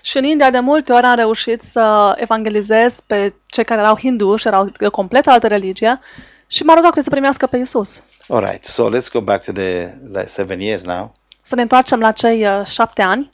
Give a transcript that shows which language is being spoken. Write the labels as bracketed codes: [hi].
[ro] Și în India de multe ori am reușit să evangelizez pe cei care erau hinduși, erau de complet altă religie, și m-a rugat să primească pe Iisus. [en] All right, so let's go back to the like 7 years now. [ro] Să ne întoarcem la cei 7 ani.